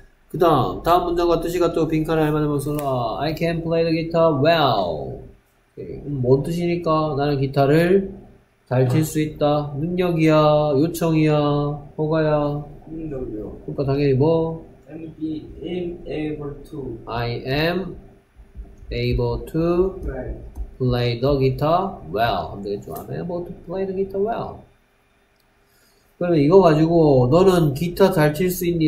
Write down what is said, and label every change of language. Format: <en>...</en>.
<ko>그 다음 문장과 뜻이 같도록 빈칸에 알맞은 말씀으로</ko> <en>I can play the guitar well.</en> <ko>뭔 뜻이니까 나는 기타를 잘 칠 수 있다. 능력이야, 요청이야, 허가야. 능력이요. 그러니까 당연히 뭐?</ko> <en>I'm able to. I am able to play the guitar well.</en> <ko>하면 되겠죠.</ko> <en>I'm able to play the guitar well.</en> <ko>그러면 이거 가지고 너는 기타 잘 칠 수 있니?</ko>